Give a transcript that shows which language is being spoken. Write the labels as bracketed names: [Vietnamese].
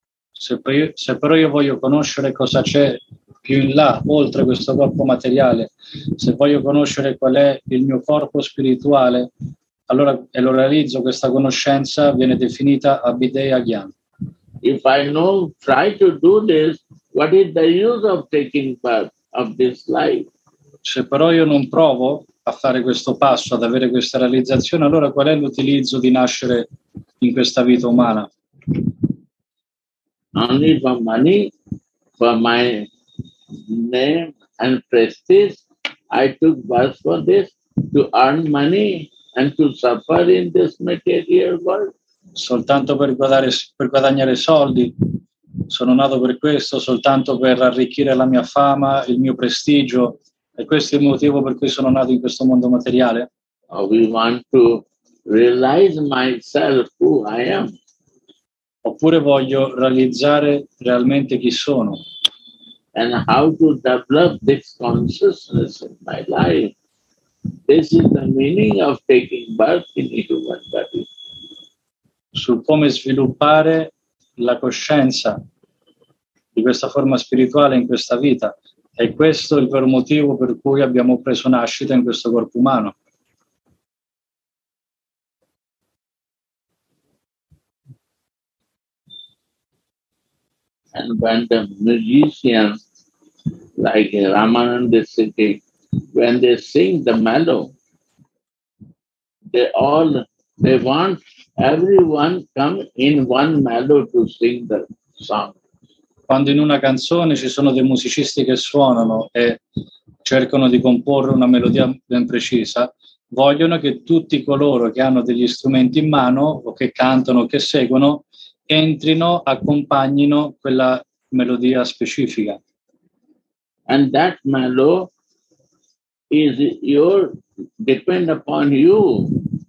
[Italian] Se però io voglio conoscere cosa c'è più in là, oltre questo corpo materiale, se voglio conoscere qual è il mio corpo spirituale, allora e lo realizzo, questa conoscenza viene definita avideha gyan. [English] If I know, try to do this, what is the use of taking part of this life? [Italian] Se però io non provo a fare questo passo, ad avere questa realizzazione, allora qual è l'utilizzo di nascere in questa vita umana? [English] Only for money, for my name and prestige, I took birth for this, to earn money and to suffer in this material world. [Italian] Soltanto per guadagnare soldi, sono nato per questo, soltanto per arricchire la mia fama, il mio prestigio, e questo è il motivo per cui sono nato in questo mondo materiale. [English] We want to realize myself, who I am. [Italian] Oppure voglio realizzare realmente chi sono. [English] And how to develop this consciousness in my life. This is the meaning of taking birth in a human body. [Italian] Su come sviluppare la coscienza di questa forma spirituale in questa vita. E questo è il vero motivo per cui abbiamo preso nascita in questo corpo umano. [English] And when the musicians, like Ramananda Sethi, when they sing the mellow, they want everyone come in one mellow to sing the song. [Italian] Quando in una canzone ci sono dei musicisti che suonano e cercano di comporre una melodia ben precisa, vogliono che tutti coloro che hanno degli strumenti in mano o che cantano o che seguono entrino, accompagnino quella melodia specifica. [English] And that mellow is your depend upon you.